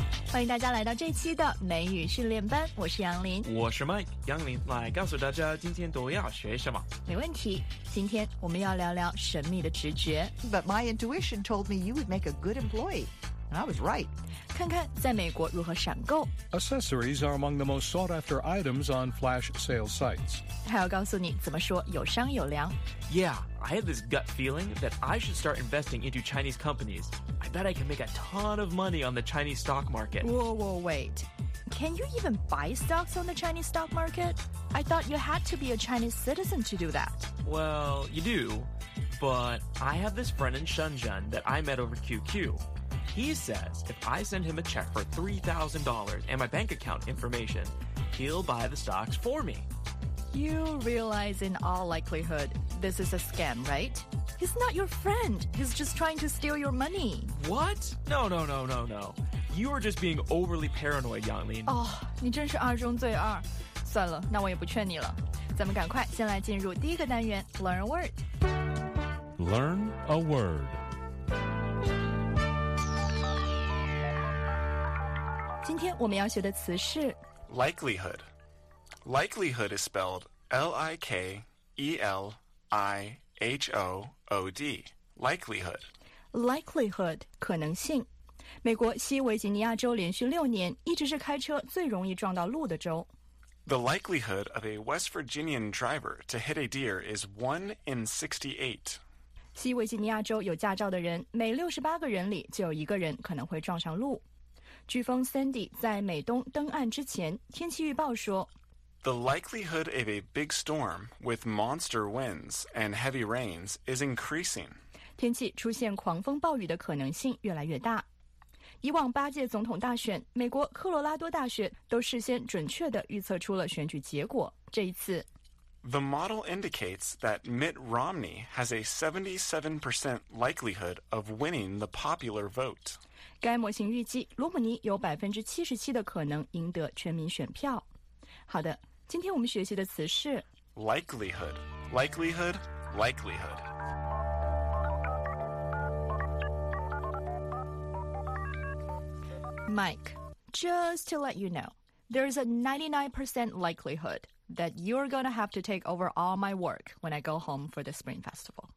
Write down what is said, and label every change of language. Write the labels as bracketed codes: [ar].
[zh] 欢迎大家来到这期的美语训练班，我是杨林，我是 Mike。杨林来告诉大家今天都要学什么。没问题，今天我们要聊聊神秘的直觉。 [en] But my intuition told me you would make a good employee, and I was right. [zh] 看看在美国如何闪购。 [en] Accessories are among the most sought after items on flash sales sites. [zh] 还要告诉你怎么说有商有量。 [en] Yeah, I have this gut feeling that I should start investing into Chinese companies. I bet I can make a ton of money on the Chinese stock market. Whoa, wait. Can you even buy stocks on the Chinese stock market? I thought you had to be a Chinese citizen to do that. Well, you do. But I have this friend in Shenzhen that I met over QQ. He says if I send him a check for $3,000 and my bank account information, he'll buy the stocks for me. You realize in all likelihood, this is a scam, right? He's not your friend. He's just trying to steal your money. What? No. You are just being overly paranoid, Yanglin. [zh] Oh, 你真是二中最二。算了，那我也不劝你了。咱们赶快先来进入第一个单元 [en] Learn a Word. Learn a Word. [zh] 今天我们要学的词是 [en] likelihood. Likelihood is spelled L-I-K-E-L-I-H-O-O-D. Likelihood. [zh] Likelihood, 可能性。美国西维吉尼亚州连续六年一直是开车最容易撞到鹿的州。 [en] The likelihood of a West Virginian driver to hit a deer is 1 in 68. [zh] 西维吉尼亚州有驾照的人每68个人里就有一个人可能会撞上鹿。飓风 Sandy 在美东登岸之前，天气预报说 [en] The likelihood of a big storm with monster winds and heavy rains is increasing. [zh] 天气出现狂风暴雨的可能性越来越大。以往八届总统大选，美国科罗拉多大学都事先准确地预测出了选举结果。这一次 [en] The model indicates that Mitt Romney has a 77% likelihood of winning the popular vote. [zh] 该模型预计罗姆尼有77%的可能赢得全民选票。好的，今天我们学习的词是 [en] likelihood, likelihood, likelihood. Mike, just to let you know, there's a 99% likelihood that you're going to have to take over all my work when I go home for the Spring Festival.